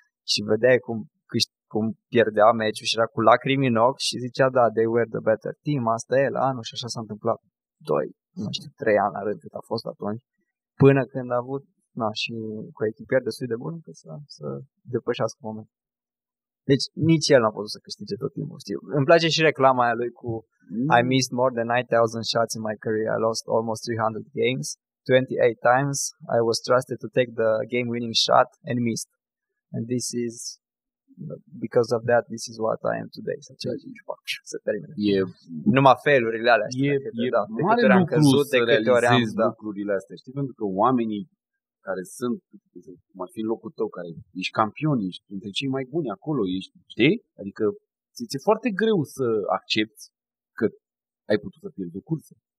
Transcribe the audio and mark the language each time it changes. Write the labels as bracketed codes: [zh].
[ro] Și vedeai cum pierdea meciul și era cu lacrimi în ochi și zicea, da, [en] they were the better team, [ro] asta e la anul și așa s-a întâmplat. Doi. Nu știu, 3 ani la rând cât a fost atunci, până când a avut, na, și cu echipier destul de bun, că să depășească momentul. Deci nici el n-a putut să câștige tot timpul, știu. Îmi place și reclama aia lui cu [en] I missed more than 9,000 shots in my career, I lost almost 300 games, 28 times I was trusted to take the game-winning shot and missed. And this is, because of that, this is what I am today. [ro] Să termine. Numai failurile alea. E mare lucru căzut, să realizezi lucrurile astea. Știi, pentru că oamenii care sunt, cum ar fi în locul tău, care ești campion, ești dintre cei mai buni acolo, ești, știi? Adică ți-e foarte greu să accepti că ai putut să pierzi o cursă.